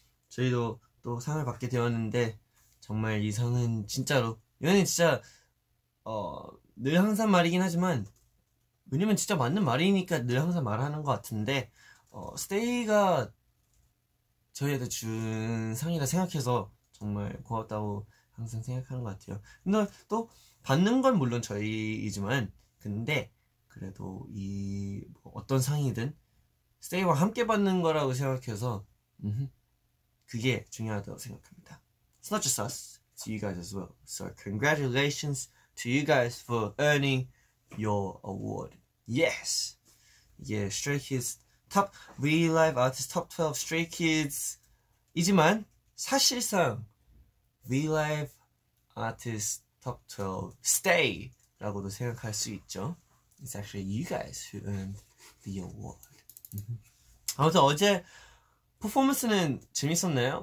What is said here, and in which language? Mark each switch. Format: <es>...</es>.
<ko>저희도 또 상을 받게 되었는데 정말 이 상은 진짜로 이거는 진짜 늘 항상 말이긴 하지만 왜냐면 진짜 맞는 말이니까 늘 항상 말하는 것 같은데 스테이가 저희한테 준 상이라 생각해서 정말 고맙다고 항상 생각하는 것 같아요. 근데 또 받는 건 물론 저희이지만 근데 그래도 이 뭐 어떤 상이든 스테이와 함께 받는 거라고 생각해서 그게 중요하다고 생각합니다.</ko> <en>It's not just us, it's you guys as well. So congratulations to you guys for earning your award.</en> <ko>Yes! 이게 Stray Kids Top Vlive Artist Top 12 Stray Kids 이지만 사실상 Vlive Artist Top 12 Stay 라고도 생각할 수 있죠.</ko> <en>It's actually you guys who earned the award.</en> <ko>아무튼 어제 퍼포먼스는 재밌었나요?</ko>